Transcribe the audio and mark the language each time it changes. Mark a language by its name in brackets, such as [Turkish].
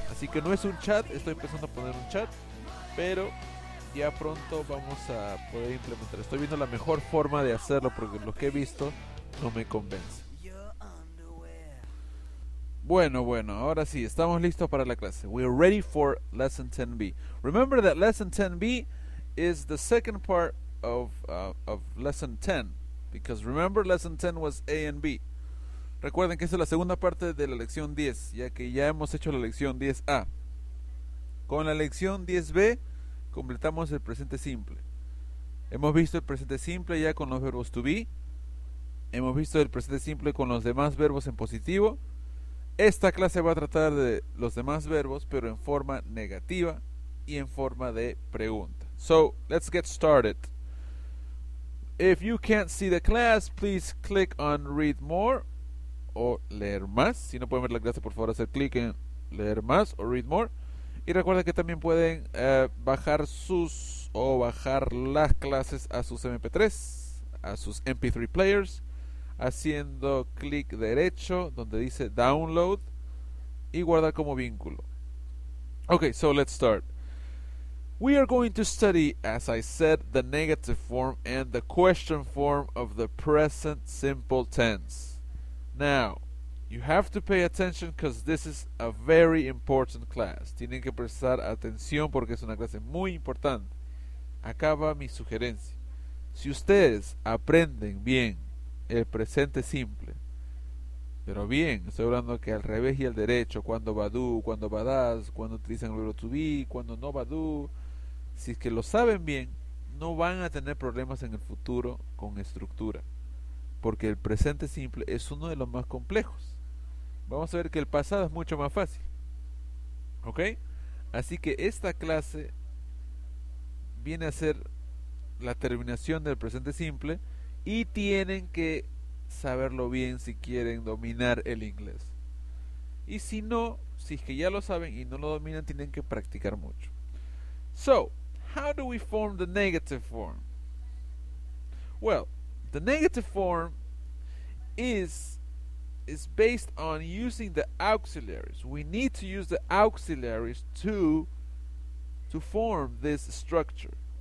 [Spanish] Así que no es un chat, estoy empezando a poner un chat, pero ya pronto vamos a poder implementar. Estoy viendo la mejor forma de hacerlo porque lo que he visto no me convence. Bueno, ahora sí, estamos listos para la clase. [English] We are ready for lesson 10B. Remember that lesson 10B is the second part of lesson 10, because remember lesson 10 was A and B. [Spanish] Recuerden que esta es la segunda parte de la lección 10, ya que ya hemos hecho la lección 10A. Con la lección 10B completamos el presente simple. Hemos visto el presente simple ya con los verbos to be. Hemos visto el presente simple con los demás verbos en positivo. Esta clase va a tratar de los demás verbos, pero en forma negativa y en forma de pregunta. [English] So, let's get started. If you can't see the class, please click on Read More o Leer Más. [Spanish] Si no pueden ver la clase, por favor, hacer clic en Leer Más o Read More. Y recuerden que también pueden bajar sus o bajar las clases a sus MP3, a sus MP3 players, haciendo clic derecho donde dice Download y guardar como vínculo. [English] Okay, so let's start. We are going to study, as I said, the negative form and the question form of the present simple tense. Now, you have to pay attention because this is a very important class. [Spanish] Tienen que prestar atención porque es una clase muy importante. Acá va mi sugerencia. Si ustedes aprenden bien el presente simple, pero bien, estoy hablando que al revés y al derecho, cuando va do, cuando va das, cuando utilizan el verbo to be, cuando no va do, si es que lo saben bien, no van a tener problemas en el futuro con estructura, porque el presente simple es uno de los más complejos. Vamos a ver que el pasado es mucho más fácil. ¿Ok? Así que esta clase viene a ser la terminación del presente simple y tienen que saberlo bien si quieren dominar el inglés. Y si no, si es que ya lo saben y no lo dominan, tienen que practicar mucho. [English] So, how do we form the negative form? Well, the negative form is based on using the auxiliaries. We need to use the auxiliaries to form this structure.